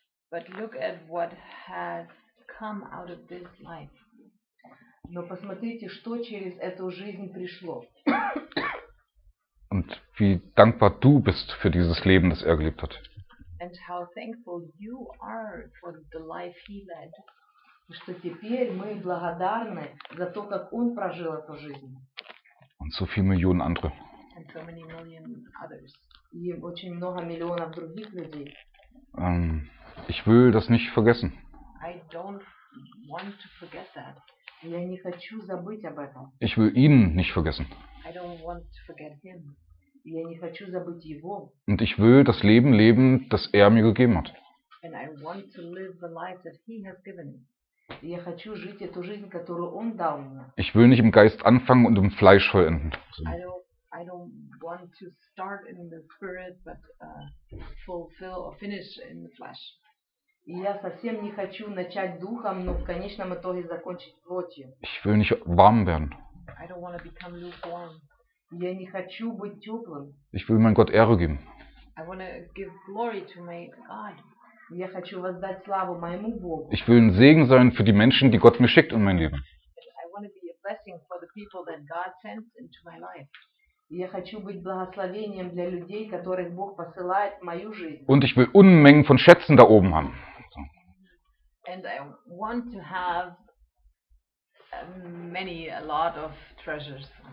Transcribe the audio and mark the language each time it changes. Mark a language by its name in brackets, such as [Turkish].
[English] But look at what has come out of this life. [Russian] Но посмотрите, что через эту жизнь пришло. [German] Und wie dankbar du bist für dieses Leben, das er gelebt hat. [English] And how thankful you are for the life he led. [Russian] Что теперь мы благодарны за то, как он прожил эту жизнь. [German] Und so viele Millionen andere. [English] And so many million others. [Russian] И очень много миллионов других людей. [German] Ich will das nicht vergessen. [English] I don't want to forget that. [Russian] Я не хочу забыть об этом. [German] Ich will ihn nicht vergessen. [English] I don't want to forget him. [Russian] Я не хочу забыть его. [German] Und ich will das Leben leben, das er mir gegeben hat. [English] And I want to live the life that he has given me. [Russian] Я хочу жить эту жизнь, которую он дал мне. [German] Ich will nicht im Geist anfangen und im Fleisch vollenden. [English] I don't want to start in the spirit, but fulfill or finish in the flesh. [Russian] И я совсем не хочу начать духом, но в конечном итоге закончить плотью. [German] Ich will nicht warm werden. [English] I don't want to become lukewarm. [Russian] Я не хочу быть теплым. [German] Ich will mein Gott Ehre geben. [English] I want to give glory to my God. [Russian] Я хочу воздать славу моему Богу. [German] Ich will ein Segen sein für die Menschen, die Gott mir schickt in mein Leben. [English] I want to be a blessing for the people that God sends into my life. [Russian] Я хочу быть благословением для людей, которых Бог посылает в мою жизнь. [German] Und ich will Unmengen von Schätzen da oben haben. [English] And I want to have many, a lot of treasures.